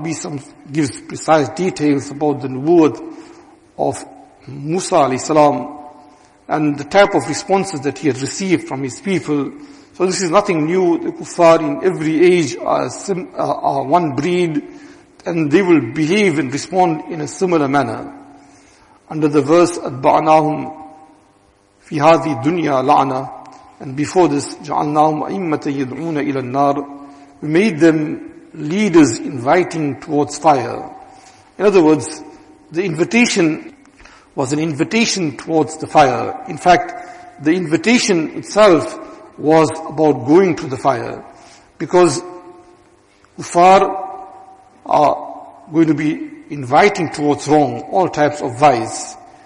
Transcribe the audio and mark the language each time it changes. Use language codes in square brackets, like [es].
[en] Nabi Sallam gives precise details about the Nubuwwat of Musa alayhi salam and the type of responses that he had received from his people. So this is nothing new. The kuffar in every age are one breed, and they will behave and respond in a similar manner. Under the verse, [ar] أَتْبَعْنَاهُمْ فِي هَذِي الدُّنْيَا لَعْنَةً, [en] And before this, [ar] جَعَلْنَاهُمْ أَئِمَّةً يَدْعُونَ إِلَى النَّارِ. [en] We made them leaders inviting towards fire. In other words, the invitation was an invitation towards the fire. In fact, the invitation itself was about going to the fire. Because kuffar are going to be inviting towards wrong, all types of vice.